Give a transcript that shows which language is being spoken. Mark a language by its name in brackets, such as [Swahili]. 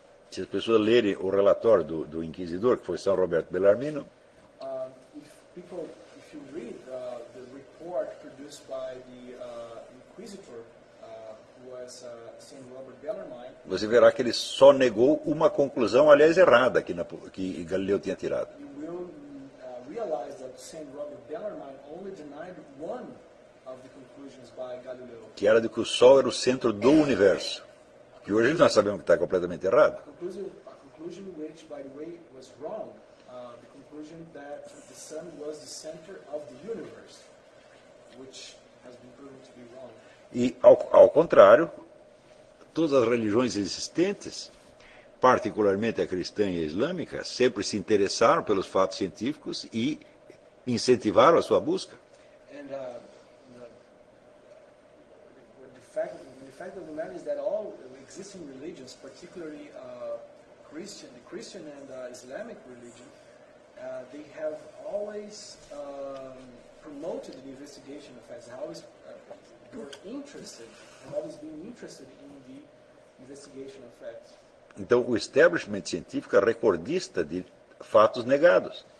[Portuguese] Se as pessoas lerem o relatório do inquisidor, que foi São Roberto Bellarmino, [English] if you read the report produced by the inquisitor, who was Saint Robert Bellarmine, [Portuguese] você verá que ele só negou uma conclusão, aliás, errada que Galileu tinha tirado. [English] You will realize that Saint Robert Bellarmine only denied one of the conclusions by Galileo. [Portuguese] Que era de que o Sol era o centro do universo. Que hoje nós sabemos que está completamente errado. [English] A conclusion which, by the way, was wrong. The conclusion that the sun was the center of the universe, which has been proven to be wrong. [Portuguese] E ao contrário, todas as religiões existentes, particularmente a cristã e a islâmica, sempre se interessaram pelos fatos científicos e incentivaram a sua busca. [English] And the fact of the matter is that all existing religions, particularly the Christian and Islamic religion, they have always promoted the investigation of facts. Always been interested in the investigation of facts. [Portuguese] Então, o establishment científico é recordista de fatos negados.